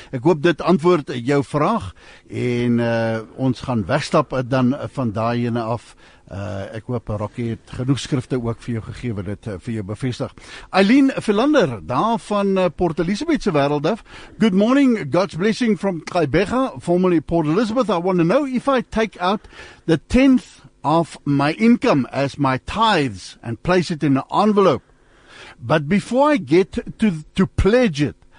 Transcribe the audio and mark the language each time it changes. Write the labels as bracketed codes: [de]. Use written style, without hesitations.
[af] Ek hoop dit antwoord jou vraag. En ons gaan wegstap dan van daaiene af. Ek hoop Rocky het genoeg skrifte ook vir jou gegee wat dit vir jou bevestig. Eileen Philander, daar van Port Elizabeth se wêreld af. [en] Good morning, God's blessing from Kaibega, formerly Port Elizabeth. I want to know if I take out the tenth of my income as my tithes and place it in an envelope. But before I get to pledge it,